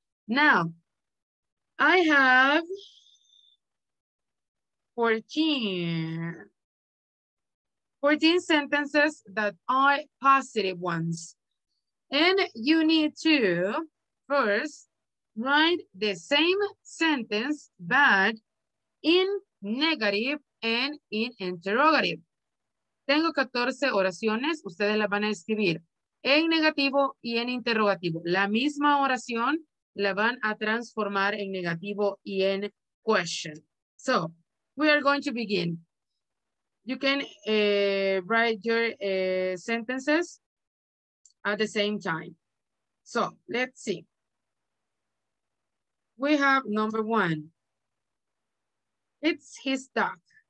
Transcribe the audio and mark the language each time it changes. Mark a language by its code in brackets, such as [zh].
[en] Now, I have 14 sentences that are positive ones. And you need to first write the same sentence, but in negative and in interrogative. [es] Tengo 14 oraciones, ustedes las van a escribir en negativo y en interrogativo. La misma oración la van a transformar en negativo y en question. [en] So, we are going to begin. You can write your sentences at the same time. So, let's see. We have number one. It's his duck.